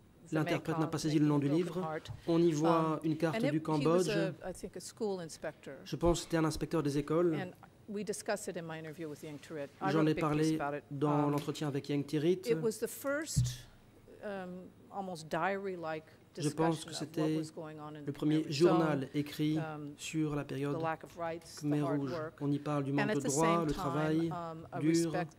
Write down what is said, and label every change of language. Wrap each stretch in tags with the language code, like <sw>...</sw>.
<fr>L'interprète n'a pas saisi le nom du livre. On y voit une carte du Cambodge. Je pense que c'était un inspecteur des écoles.</fr> <en>We discussed it in my interview with Yang Tirit.</en> <fr>J'en ai parlé dans l'entretien avec Yang Tirit.</fr> <en>It was the first almost diary-like discussion.</en> <fr>Je pense que c'était le premier journal écrit sur la période Khmer Rouge. On y parle du manque de droits, le travail dur.</fr>